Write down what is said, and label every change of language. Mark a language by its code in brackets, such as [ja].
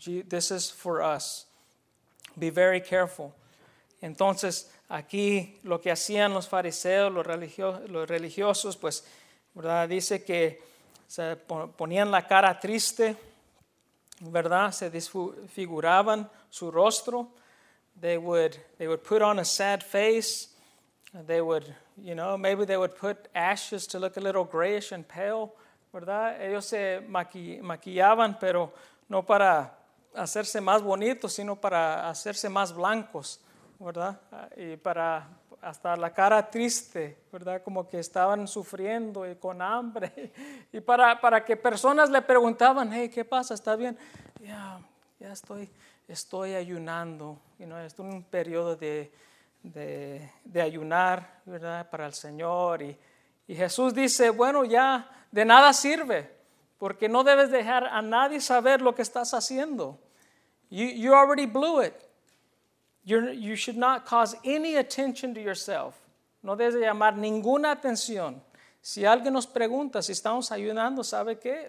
[en] This is for us. Be very careful. [es] Entonces, aquí lo que hacían los fariseos, los religiosos, pues, ¿verdad? Dice que se ponían la cara triste, ¿verdad? Se desfiguraban su rostro. [en] They would put on a sad face. They would, you know, maybe they would put ashes to look a little grayish and pale, ¿verdad? [es] Ellos se maquillaban, pero no para hacerse más bonitos, sino para hacerse más blancos, ¿verdad? Y para hasta la cara triste, ¿verdad? Como que estaban sufriendo y con hambre. Y para que personas le preguntaban, hey, ¿qué pasa? ¿Está bien? Ya estoy ayunando. You know, estoy en un periodo de ayunar, ¿verdad? Para el Señor. Y Jesús dice, bueno, ya de nada sirve, porque no debes dejar a nadie saber lo que estás haciendo. [en] You already blew it. You should not cause any attention to yourself. [es] No debes de llamar ninguna atención. Si alguien nos pregunta si estamos ayunando, ¿sabe qué?